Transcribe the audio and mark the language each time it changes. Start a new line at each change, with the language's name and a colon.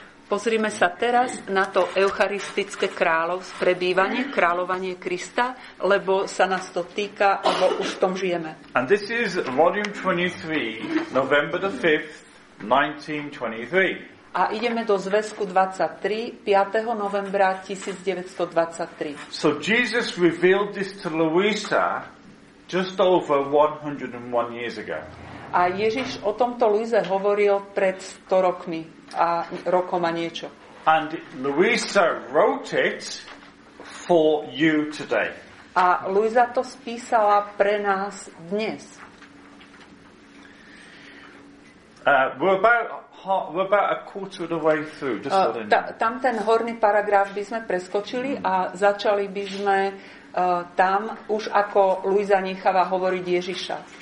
Slovak: Pozrime sa teraz na to eucharistické kráľovstvo, prebývanie, kráľovanie Krista, lebo sa nás to týka, alebo už v tom žijeme.
English: And this is volume 23, November the 5th, 1923.
Slovak: A ideme do zväzku 23, 5. novembra 1923.
English: So Jesus revealed this to Louisa just over 101 years ago.
Slovak: A Ježiš o tomto Louise hovoril pred 100 rokmi a rokom a niečo.
English: And Louisa wrote it for you today.
Slovak: A Louisa to spísala pre nás dnes.
English: We're about a quarter of the way through. Just
Slovak: tam ten horný paragraf by sme preskočili a začali by sme tam už ako Luisa necháva hovoriť Ježiša.